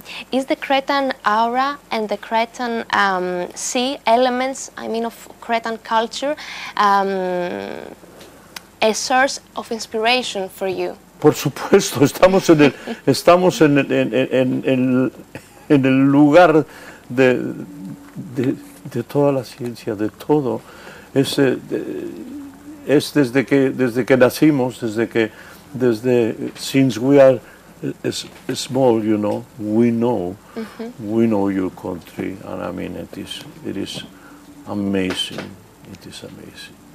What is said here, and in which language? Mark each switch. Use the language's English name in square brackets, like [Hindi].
[English] Is the Cretan aura and the Cretan sea elements, I mean of Cretan culture, a source of inspiration for you? [Spanish] Por supuesto, estamos en el, estamos en el, en, en, en, en el lugar de toda la ciencia, de todo. Es desde que nacimos, [English] since we are small, you know, we know, we know your country, and I mean it is amazing, it is amazing.